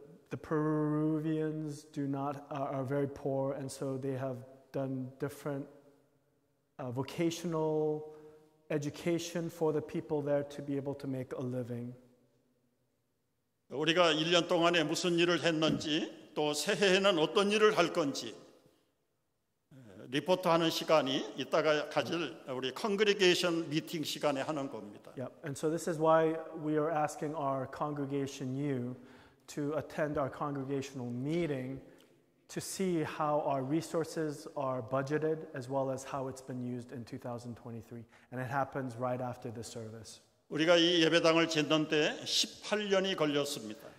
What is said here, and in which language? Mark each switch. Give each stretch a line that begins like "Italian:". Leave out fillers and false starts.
English: The Peruvians are very poor, and so they have done different vocational education for the people there to be able to make a living.
Korean: 우리가 1년 동안에 무슨 일을 했는지. 또 새해에는 어떤 일을 할 건지 리포트하는 시간이 이따가 가질 우리
English: congregation meeting
Korean: 시간에 하는 겁니다.
English: Yep. And so this is why we are asking our congregation you to attend our congregational meeting to see how our resources are budgeted as well as how it's been used in 2023. And it happens right after the service.
Korean: 우리가 이 예배당을 짓는 데 18년이 걸렸습니다.